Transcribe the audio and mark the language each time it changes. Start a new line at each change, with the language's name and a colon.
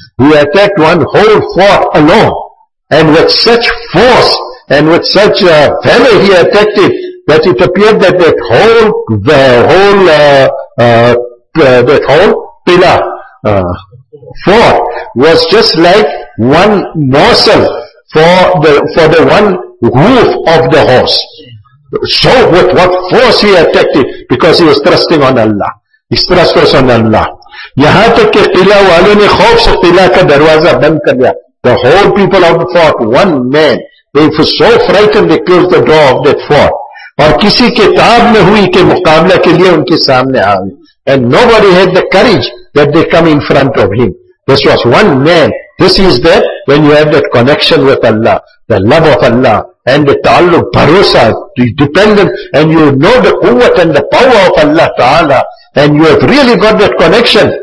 English: He attacked one whole fort alone and with such force and with such valor he attacked it that it appeared that that whole قلعہ fort was just like one morsel for the one hoof of the horse. So with what force he attacked it, because he was trusting on Allah. He trusts us on Allah.
Urdu: یہاں تک کہ قلعہ والوں نے خوف سے قلعہ کا دروازہ بند کر دیا.
English: The whole people of the fort, one man, they were so frightened they closed the door of that fort.
Urdu: اور کسی کتاب میں ہوئی کہ مقابلہ کے لیے ان کے سامنے آئے.
English: And nobody had the courage that they come in front of him. This was one man. This is that when you have that connection with Allah, the love of Allah, and the ta'alluq, bharosa, the dependent, and you know the quwwat and the power of Allah Ta'ala, and you have really got that connection.